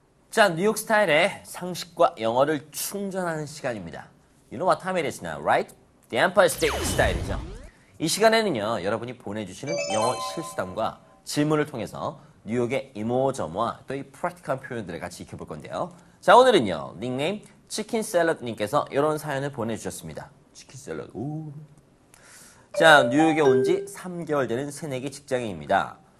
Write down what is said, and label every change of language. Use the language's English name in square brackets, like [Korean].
[Korean] 자, 뉴욕 스타일의 상식과 영어를 충전하는 시간입니다. [English] You know what time it is now, right? The Empire State [Korean] 스타일이죠. 이 시간에는요, 여러분이 보내주시는 영어 실수담과 질문을 통해서 뉴욕의 이모저모와 또이 프랙티컬한 표현들을 같이 익혀볼 건데요. 자, 오늘은요, 닉네임 치킨 샐러드님께서 이런 사연을 보내주셨습니다. 치킨 샐러드, 오. 자, 뉴욕에 온지 3개월 되는 새내기 직장인입니다.